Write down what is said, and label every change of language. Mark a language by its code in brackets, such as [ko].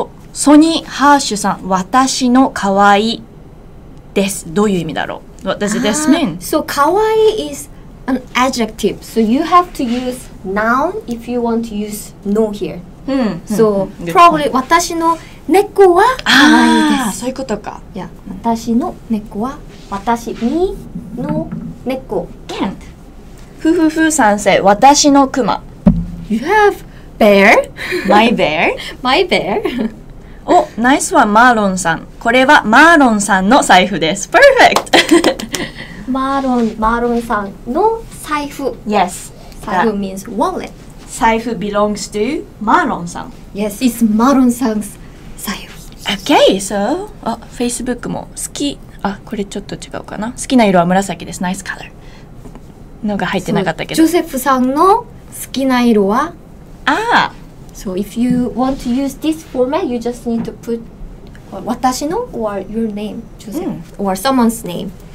[ja] ソニー・ハーシュさん、私の可愛いです。どういう意味だろう ？ [en] What does this mean? So 可愛い is an adjective. So you have to use noun if you want to use no here. So probably [ja] 私の猫は可愛いです。そういうことか。いや、私の猫は私にの猫。 [en] Can't。 [ja] ふふふ先生、私の熊。 [en] You have. Bear? My bear? My bear? [ja] お、ナイスはマーロンさん。これはマーロンさんの財布です。 [en] Perfect! [ja] マーロンさんの財布。 [en] Yes. 財布 means wallet. 財布 belongs to マーロンさん。 Yes, it's [ja] マーロンさんの財布。 [en] Okay, so, Facebook [ja] も好き。あ、これちょっと違うかな。好きな色は紫です。 [en] Nice color. [ja] のが入ってなかったけど。ジョセフさんの好きな色は [en] Ah. So if you want to use this format, you just need to put 私の or your name, or someone's name.